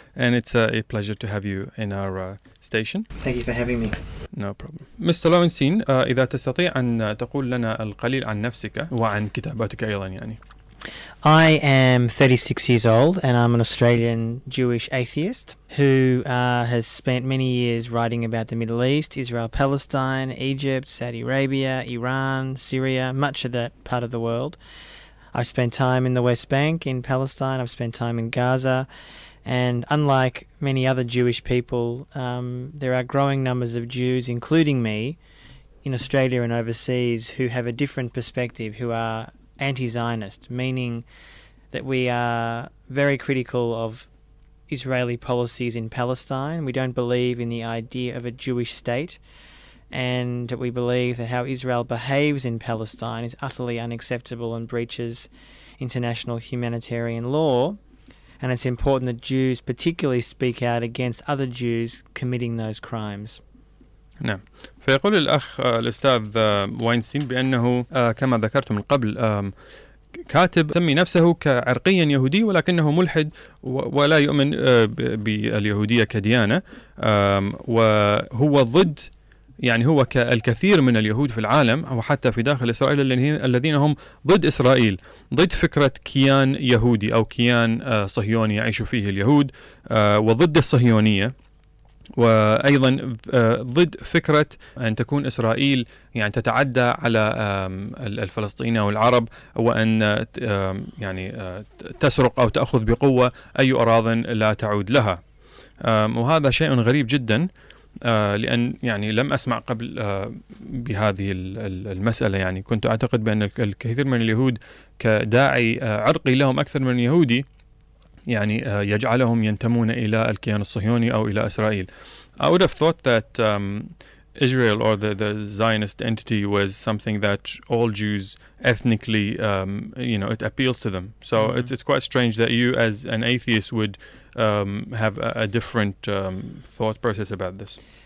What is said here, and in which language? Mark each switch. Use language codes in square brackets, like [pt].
[en] And it's a pleasure to have you in our station. Thank you for having me. No problem. Mr. [ar] Lowenstein, إذا تستطيع أن تقول لنا القليل عن نفسك وعن كتاباتك أيضا يعني. [en] I am 36 years old and I'm an Australian Jewish atheist who has spent many years writing about the Middle East, Israel, Palestine, Egypt, Saudi Arabia, Iran, Syria, much of that part of the world. I've spent time in the West Bank, in Palestine. I've spent time in Gaza. And unlike many other Jewish people, there are growing numbers of Jews, including me, in Australia and overseas, who have a different perspective, who are anti-Zionist, meaning that we are very critical of Israeli policies in Palestine. We don't believe in the idea of a Jewish state. And we believe that how Israel behaves in Palestine is utterly unacceptable and breaches international humanitarian law. And it's important that Jews particularly speak out against other Jews committing those crimes. [ar] نعم. فيقول الأخ الأستاذ واينستين بأنه كما ذكرتم قبل كاتب سمي نفسه كعرقيا يهودي ولكنه ملحد ولا يؤمن باليهودية كديانة. وهو ضد يعني هو كالكثير من اليهود في العالم أو حتى في داخل إسرائيل الذين هم ضد إسرائيل، ضد فكرة كيان يهودي أو كيان صهيوني يعيش فيه اليهود، وضد الصهيونية، وأيضا ضد فكرة أن تكون إسرائيل يعني تتعدى على الفلسطينيين أو العرب وأن يعني تسرق أو تأخذ بقوة أي أراض لا تعود لها. وهذا شيء غريب جدا، لأن يعني لم أسمع قبل بهذه المسألة. يعني كنت أعتقد بأن الكثير من اليهود كداعي عرقي لهم أكثر من يهودي يعني يجعلهم ينتمون إلى الكيان الصهيوني أو إلى إسرائيل. [en] I would have thought that Israel or the Zionist entity was something that all Jews ethnically, you know, it appeals to them. So it's quite strange that you as an atheist would have a different thought process about this.